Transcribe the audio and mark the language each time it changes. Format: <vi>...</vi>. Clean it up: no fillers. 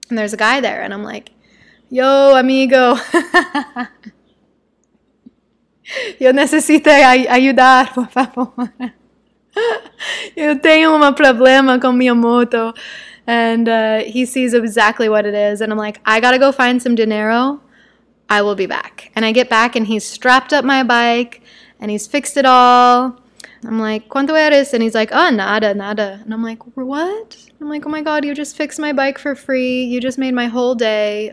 <en>And there's a guy there, and I'm like, yo, amigo.</en> <es>Yo necesito ayudar, por favor. Yo tengo un problema con mi moto.</es> <en>And he sees exactly what it is. And I'm like, I gotta go find some dinero. I will be back. And I get back and he's strapped up my bike and he's fixed it all. I'm like,</en> <es>¿cuánto eres?</es> <en>And he's like, oh,</en> <es>nada, nada.</es> <en>And I'm like, what? I'm like, oh my God, you just fixed my bike for free. You just made my whole day.</en>